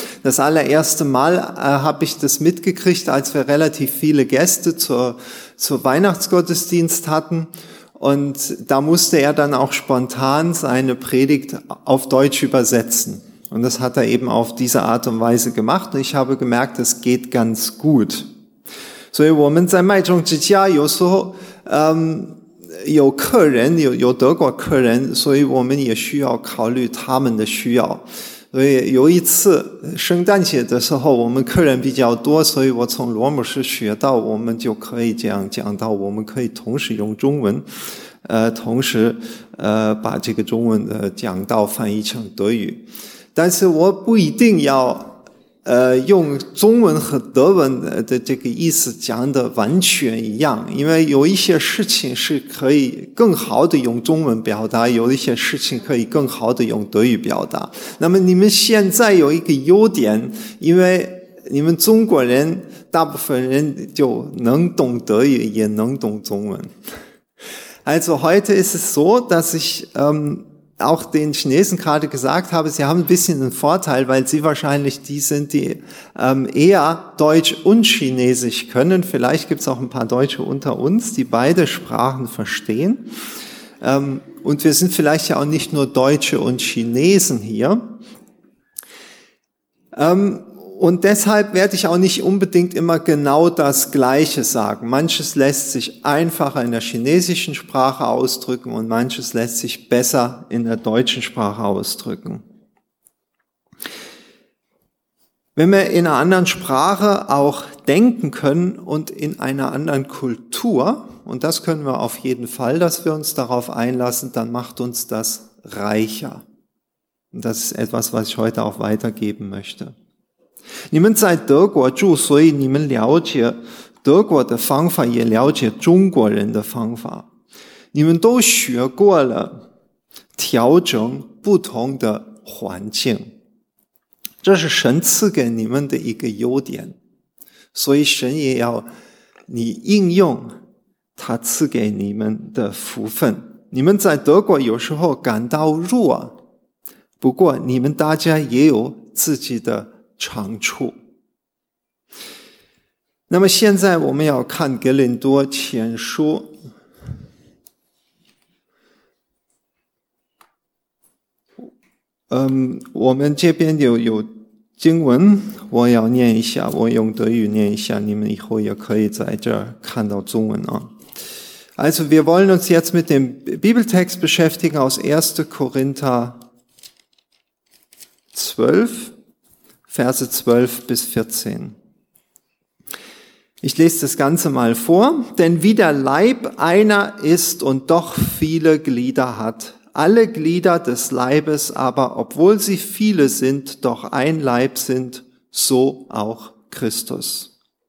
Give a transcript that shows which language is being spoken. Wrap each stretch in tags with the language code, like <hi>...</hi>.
<de>Das allererste Mal habe ich das mitgekriegt, als wir relativ viele Gäste zur Weihnachtsgottesdienst hatten und da musste er dann auch spontan seine Predigt auf Deutsch übersetzen. Und das hat er eben auf diese Art und Weise gemacht. Und ich habe gemerkt, es geht ganz gut. So, wir haben in der Meinung,</de> <zh>但是我不一定要用中文和德文的这个意思讲的完全一样，因为有一些事情是可以更好的用中文表达，有一些事情可以更好的用德语表达。那么你们现在有一个优点，因为你们中国人大部分人就能懂德语，也能懂中文。</zh> <de>Also heute ist es so, dass ich auch den Chinesen gerade gesagt habe, sie haben ein bisschen einen Vorteil, weil sie wahrscheinlich die sind, die eher Deutsch und Chinesisch können. Vielleicht gibt es auch ein paar Deutsche unter uns, die beide Sprachen verstehen. Und wir sind vielleicht ja auch nicht nur Deutsche und Chinesen hier. Und deshalb werde ich auch nicht unbedingt immer genau das Gleiche sagen. Manches lässt sich einfacher in der chinesischen Sprache ausdrücken und manches lässt sich besser in der deutschen Sprache ausdrücken. Wenn wir in einer anderen Sprache auch denken können und in einer anderen Kultur, und das können wir auf jeden Fall, dass wir uns darauf einlassen, dann macht uns das reicher. Und das ist etwas, was ich heute auch weitergeben möchte.</de> <zh>你们在德国住，所以你们了解德国的方法，也了解中国人的方法。你们都学过了调整不同的环境，这是神赐给你们的一个优点，所以神也要你应用他赐给你们的福分。你们在德国有时候感到弱，不过你们大家也有自己的长处。那么现在我们要看格林多前书。我们这边有经文，我要念一下，我用德语念一下，你们以后也可以在这儿看到中文啊。</zh> <de>Also wir wollen uns jetzt mit dem Bibeltext beschäftigen aus 1. Korinther 12. Verse 12 bis 14. Ich lese das Ganze mal vor. Denn wie der Leib einer ist und doch viele Glieder hat, alle Glieder des Leibes aber, obwohl sie viele sind, doch ein Leib sind, so auch Christus.</de>